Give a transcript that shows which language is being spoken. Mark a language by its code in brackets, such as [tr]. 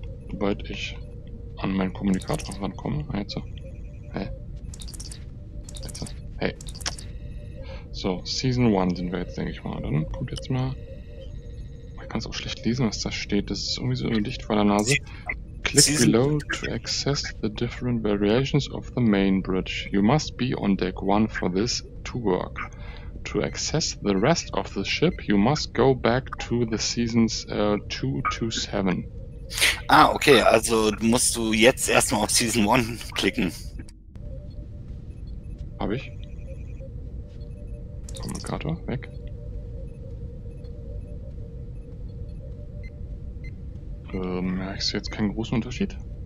[de] Sobald ich an meinen Kommunikator rankomme. Jetzt. Hey. So, Season 1 sind wir jetzt, denke ich mal. Dann kommt jetzt mal. Ich kann es auch schlecht lesen, was da steht. Das ist irgendwie so im Licht vor der Nase. [en] Click below to access the different variations of the main bridge. You must be on deck 1 for this to work. To access the rest of the ship, you must go back to the seasons 2-7. [de] Ah, okay, also musst du jetzt erstmal auf Season 1 klicken. Hab ich. Kommunikator, weg. Merkst du jetzt keinen großen Unterschied?